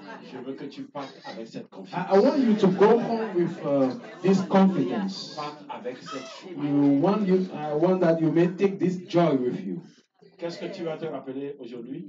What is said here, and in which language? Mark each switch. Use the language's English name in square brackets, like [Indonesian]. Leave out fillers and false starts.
[French] Je veux que tu partes avec cette confiance. [English] I want you to go home with this confidence. [French] Part avec cette [English] I want that you may take this joy with you. [French] Qu'est-ce que tu vas te rappeler aujourd'hui?